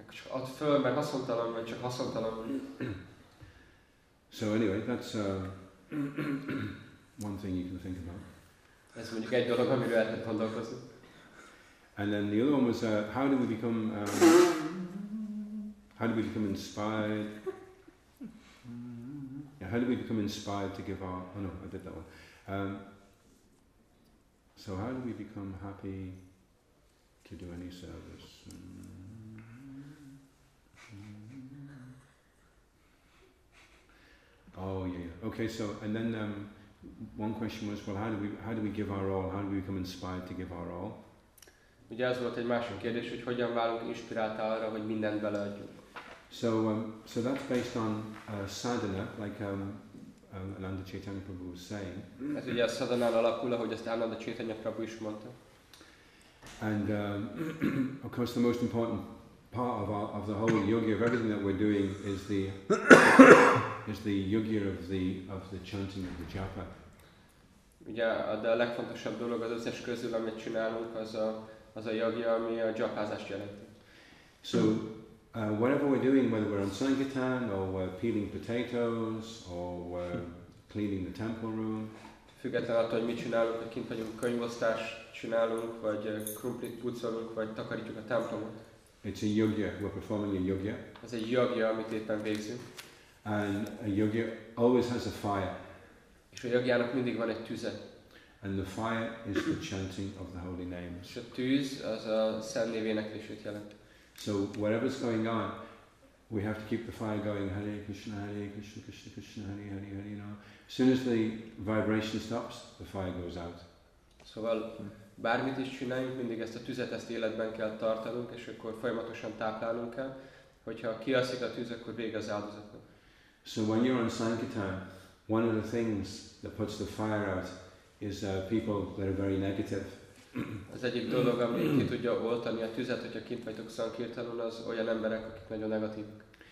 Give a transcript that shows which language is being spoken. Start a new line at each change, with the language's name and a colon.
Hungarian: Add föl, mert haszontalan vagy, csak haszontalan vagy.
English: So anyway, that's one thing you can think about.
Hungarian: Ez mondjuk egy dolog, amiről el lehet gondolkozni.
English: And then the other one was, how do we become how do we become inspired? Yeah, how do we become inspired to give our... Oh no, I did that one. So how do we become happy to do any service? Oh yeah. Okay. So, and then one question was, well, how do we give our all? How do we become inspired to give our all?
Hungarian: Ugye az volt egy másik kérdés, hogy hogyan válunk inspirált arra, hogy mindent beleadjunk.
English: So that's based on sadhana, like Ananda Chaitanya Prabhu was saying.
Hungarian: Ez ugye a sadhanán alapul, ahogy ezt Ananda Chaitanya Prabhu is mondta.
English: And of course, the most important part of the whole yoga, of everything that we're doing, is the is the yogi of the chanting of the japa.
Hungarian: Ugye a legfontosabb dolog az összes közül, amit csinálunk, az a yogi, ami a japázást jelenti.
English: So whatever we're doing, whether we're on sangitan or we're peeling potatoes or we're cleaning the temple room.
Hungarian: Függetlenül attól, hogy mit csinálunk, hogy kint vagyunk, könyvosztást csinálunk, vagy krumplit pucolunk, vagy takarítjuk a templomot.
English: It's a yogi. We're performing a yogi.
Hungarian: Ez egy yogi, amit éppen végzünk.
English: And a yogi always has a fire.
Hungarian: És a yogiának mindig van egy tüze.
English: And the fire is the chanting of the holy names.
Hungarian: És a tűz az a szent név éneklését jelent.
English: So whatever's going on, we have to keep the fire going.
Sanskrit: Hare Krishna, Hare Krishna, Krishna Krishna, Hare Hare, Hare Rama.
English: As soon as the vibration stops, the fire goes out.
Hungarian: Szóval bármit is csináljunk, mindig ezt a tüzet, ezt életben kell tartanunk, és akkor folyamatosan táplálnunk kell. Hogyha kiaszik a tűz, akkor vége az áldozatnak.
English: So when you're on sankirtan, one of the things that puts the fire out is people that are very negative.
Hungarian: Az egyik dolog, ami ki tudja oltani a tüzet, hogyha kint vagytok sankirtanon, az olyan emberek, akik nagyon negatívak.